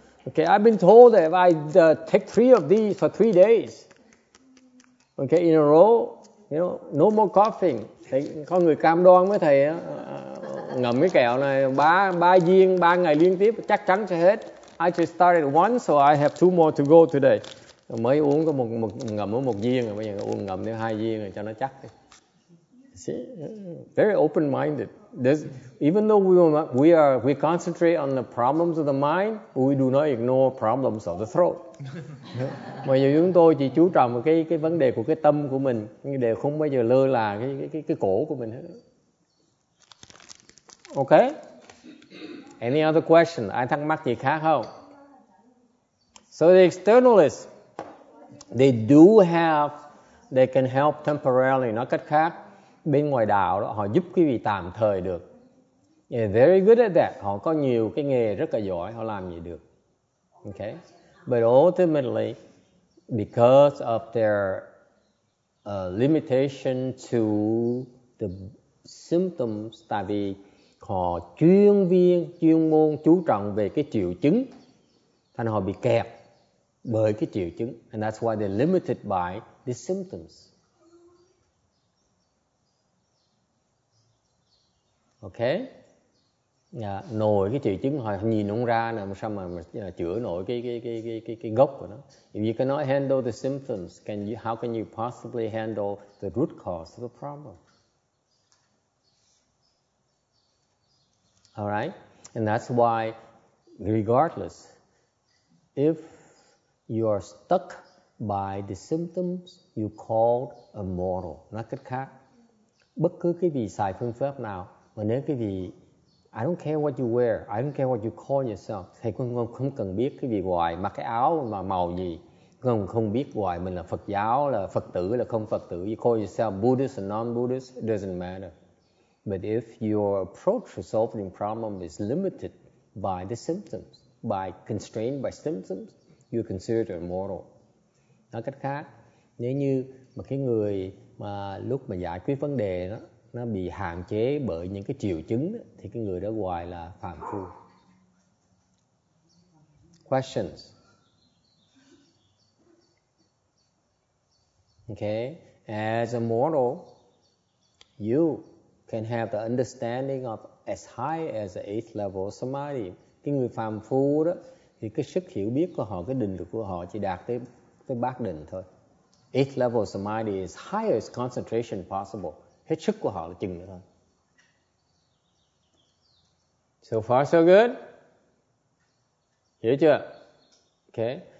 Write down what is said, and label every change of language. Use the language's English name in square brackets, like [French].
[English] Okay, I've been told that if I take 3 of these for 3 days, okay, in a row, you know, no more coughing. [Vietnamese] Thầy có người cam đoan với thầy á, ngậm cái kẹo này 3 viên 3 ngày liên tiếp chắc chắn sẽ hết. [English] I just started one, so I have two more to go today. [Vietnamese] Mới uống có một ngậm một viên rồi bây giờ uống ngậm nữa hai viên rồi cho nó chắc. [English] See? Very open-minded. There's, even though we concentrate on the problems of the mind, we do not ignore problems of the throat. [Vietnamese] Mà giờ chúng tôi chỉ chú trọng cái vấn đề của cái tâm của mình, để không bao giờ lơ là cái cổ của mình hết. [English] Okay. Any other question? [Vietnamese] Ai thắc mắc gì khác không? [English] So the externalists, they do have, they can help temporarily. [Vietnamese] Nói cách khác, bên ngoài đạo đó họ giúp quý vị tạm thời được. [English] They're very good at that. [Vietnamese] Họ có nhiều cái nghề rất là giỏi, họ làm gì được. Okay. [English] But ultimately, because of their limitation to the symptoms, [Vietnamese] tại vì họ chuyên viên, chuyên môn chú trọng về cái triệu chứng, thành họ bị kẹt bởi cái triệu chứng. [English] And that's why they're limited by the symptoms. Okay? [Vietnamese] Yeah, nổi cái triệu chứng họ nhìn không ra nè, sao mà chữa nổi cái gốc của nó. [English] If you cannot handle the symptoms, how can you possibly handle the root cause of the problem? All right? And that's why, regardless, if you are stuck by the symptoms, you called a mortal. [Vietnamese] Nói cách khác, bất cứ cái gì xài phương pháp nào, mà nếu cái gì, [English] I don't care what you wear, I don't care what you call yourself, [Vietnamese] thầy cũng không cần biết cái gì hoài, mặc cái áo mà màu gì, cũng không biết hoài mình là Phật giáo, là Phật tử, là không Phật tử, [English] you call yourself Buddhist or non-Buddhist, it doesn't matter. But if your approach to solving problem is limited by the symptoms, by constrained by symptoms, you're considered immortal. [Vietnamese] Nói cách khác, nếu như mà cái người mà lúc mà giải quyết vấn đề đó, nó bị hạn chế bởi những cái triệu chứng đó, thì cái người đó hoài là phàm phu. [English] Questions? Okay. As a mortal, you can have the understanding of as high as the eighth level of samadhi. [Vietnamese] Cái người phàm phu đó thì cái sức hiểu biết của họ, cái định lực của họ chỉ đạt tới bát định thôi. [English] Eighth level of samadhi is highest concentration possible. [Vietnamese] Hết sức của họ là chừng nữa thôi. [English] So far so good. [Vietnamese] Hiểu chưa? [English] Okay.